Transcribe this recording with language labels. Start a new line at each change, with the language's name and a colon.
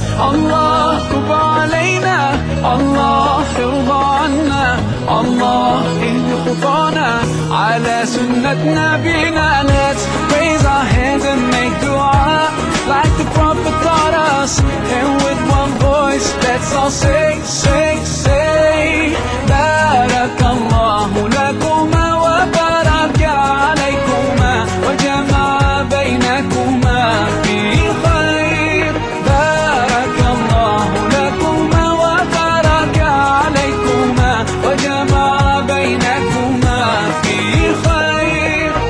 Arabic: الله تب علينا, الله ارضى عنا, الله اهد خطانا على سنة نبينا.
English: Let's raise our hands and make dua like the Prophet taught us. And with one voice, let's all say, say, say,
Arabic: بارك الله لكم وبارك عليكم وجمع بينكما في خير. بارك الله لكما وبارك عليكما وجمع بينكما في خير.